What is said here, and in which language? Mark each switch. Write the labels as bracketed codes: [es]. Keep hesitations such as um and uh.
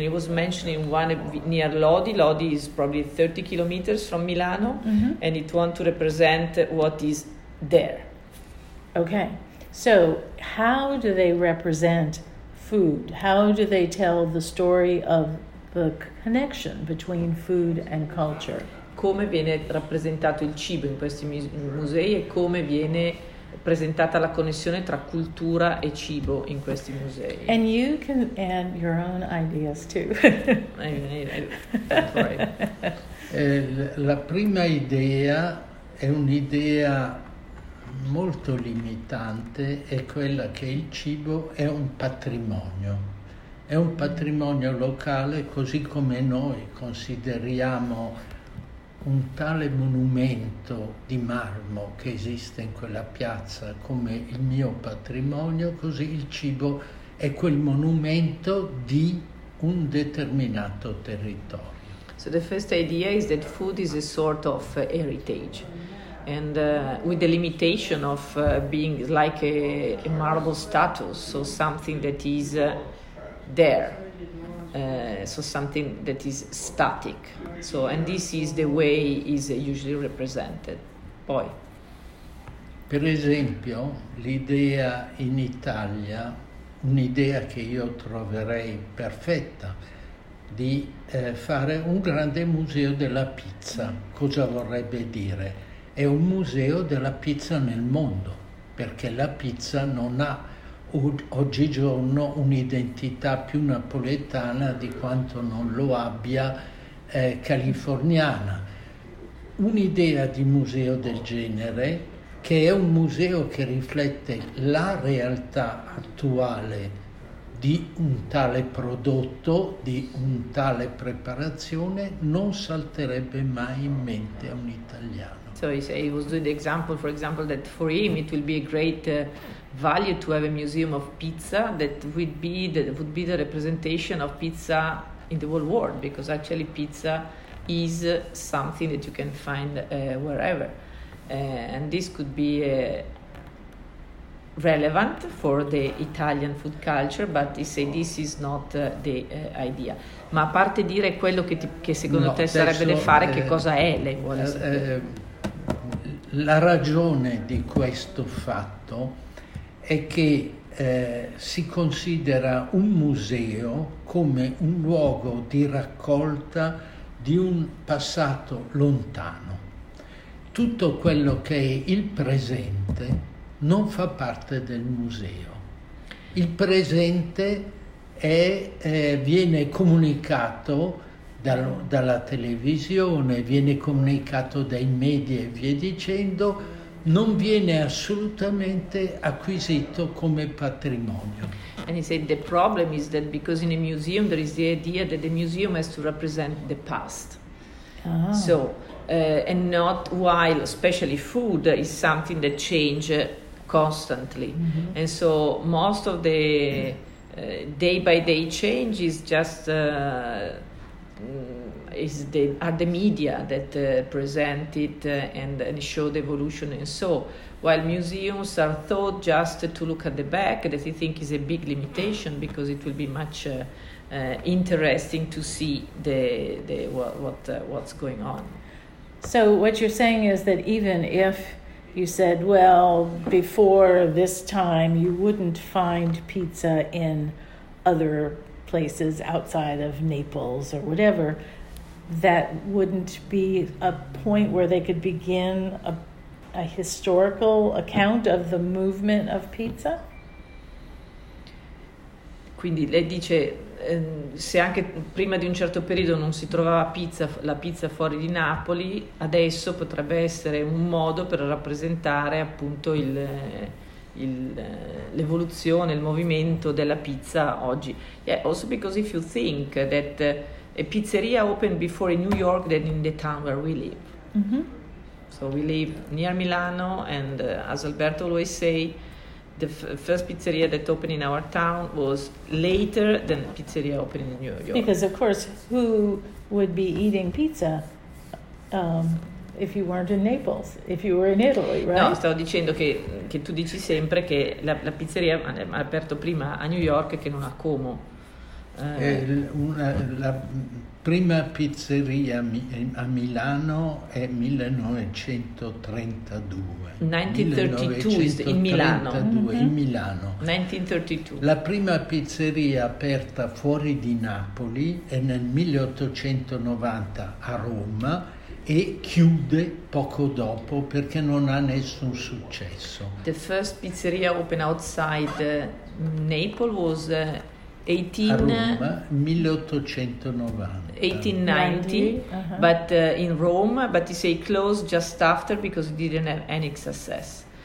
[en] It was mentioned in one uh, near Lodi. Lodi is probably 30 kilometers from Milano Mhm. and it wants to represent what is there. Okay. So, how do they represent food? How do they tell the story of the connection between food and culture? [it] come viene rappresentato il cibo in questi mis- musei e come viene presentata la connessione tra cultura e cibo in questi musei. [en] And you can add your own ideas too. I mean, I- I- that's right. [it] Eh, l- la prima idea è un'idea molto limitante, è quella che il cibo è un patrimonio, è un patrimonio locale così come noi consideriamo un tale monumento di marmo che esiste in quella piazza come il mio patrimonio, così il cibo è quel monumento di un determinato territorio. [en] So the first idea is that food is a sort of uh, heritage. And uh, with the limitation of uh, being like a, a marble status, so something that is uh, there, uh, so something that is static. So, and this is the way is uh, usually represented. [it] Poi, Per esempio, l'idea in Italia, un'idea che io troverei perfetta, di eh, fare un grande museo della pizza. Cosa vorrebbe dire? È un museo della pizza nel mondo, perché la pizza non ha o- oggigiorno un'identità più napoletana di quanto non lo abbia eh, californiana. Un'idea di museo del genere, che è un museo che riflette la realtà attuale di un tale prodotto, di un tale preparazione, non salterebbe mai in mente a un italiano. [en] So he, say, he was doing the example, for example, that for him it will be a great uh, value to have a museum of pizza that would be the, would be the representation of pizza in the whole world because actually pizza is uh, something that you can find uh, wherever, and this could be relevant for the Italian food culture, but he say this is not uh, the uh, idea. [it] Ma a parte dire quello che, ti, che secondo No, te sarebbe da penso, fare, che eh, cosa è lei vuole sapere? Eh, La ragione di questo fatto è che eh, si considera un museo come un luogo di raccolta di un passato lontano. Tutto quello che è il presente non fa parte del museo. Il presente è, eh, viene comunicato dal- dalla televisione, viene comunicato dai media e via dicendo, non viene assolutamente acquisito come patrimonio. [en] And he said the problem is that because in a museum there is the idea that the museum has to represent the past. Ah. So, uh, and not while, especially food, is something that change uh, constantly. And so, most of the uh, day by day change is just. Uh, mm, is the are the media that uh, present it uh, and, and show the evolution and so while museums are thought just to look at the back that i think is a big limitation because it will be much uh, uh, interesting to see the, the what, what uh, what's going on. So what you're saying is that even if you said, well, before this time, you wouldn't find pizza in other places outside of Naples or whatever, that wouldn't be a point where they could begin a, a historical account of the movement of pizza? [it] Quindi lei dice ehm, se anche prima di un certo periodo non si trovava pizza, la pizza fuori di Napoli, adesso potrebbe essere un modo per rappresentare appunto il, eh, il, eh, l'evoluzione, il movimento della pizza oggi. [en] Yeah, also because if you think that eh, a pizzeria opened before in New York than in the town where we live. Mm-hmm. So we live near Milano, and uh, as Alberto always say, the f- first pizzeria that opened in our town was later than pizzeria opened in New York. Because, of course, who would be eating pizza um, if you weren't in Naples, if you were in Italy, right? [it] No, stavo dicendo che, che tu dici sempre che la, la pizzeria ha ha aperto prima a New York che non a Como. Eh, Eh, l- una- la m, prima pizzeria a Mi- a Milano è 1932. [en] 1932 is in Milano. 1932, in Mhm. Milano. 1932. [it] La prima pizzeria aperta fuori di Napoli è nel 1890 a Roma e chiude poco dopo perché non ha nessun successo. [en] The first pizzeria opened outside uh, Naples was uh, [it] A 18, Roma 1890. [en] 1890, Uh-huh. but uh, in Rome, but it's a closed just after because it didn't have any success.